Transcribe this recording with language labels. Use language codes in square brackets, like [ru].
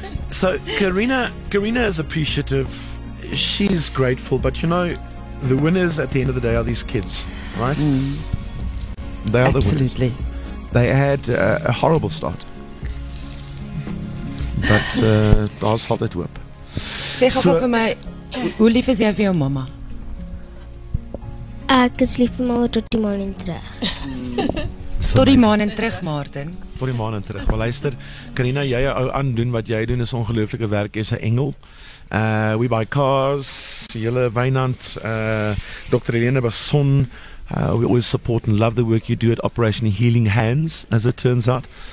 [en] So Karina is appreciative. She's grateful, but you know, the winners at the end of the day are these kids, right? Mm. They are absolutely. The winners. They had a horrible start, but God's held it up. [af] Sê gou vir my, hoe lief is jy vir jou mama? Ek is lief vir mama tot die maan en terug. Tot die maan en terug, Martin. Tot die maan en terug. Maar luister, Karina, jy ou aan doen wat jy doen is ongelooflike werk, jy is 'n engel. [en] We Buy Cars, Jelle Wynand, Dr. Helene Basson, we always support and love the work you do at Operation Healing Hands, as it turns out.